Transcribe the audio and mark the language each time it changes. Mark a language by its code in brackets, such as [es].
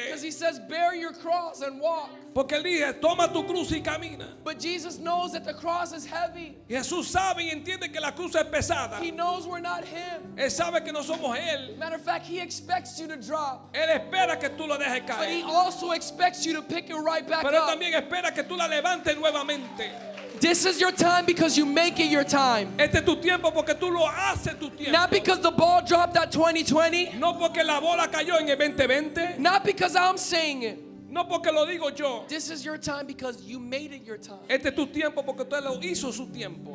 [en] Because he says, bear your cross and walk. [es] Porque él dice, toma tu cruz y camina. [en] But Jesus knows that the cross is heavy. [es] Jesús sabe y entiende que la cruz es pesada. [en] He knows we're not him. [es] Él sabe que no somos él. [en] Matter of fact, he expects you to drop. [es] Él espera que tú lo dejes caer. [en] But he also expects you to pick it right back up. [es] Pero él también espera que tú la levantes nuevamente. [en] This is your time because you make it your time. [es] Este es tu tiempo porque tú lo haces tu tiempo. [en] Not because the ball dropped at 2020. [es] No porque la bola cayó en el 2020. [en] Not because I'm saying it. [es] No porque lo digo yo. [en] This is your time because you made it your time. [es] Este es tu tiempo porque usted lo hizo su tiempo.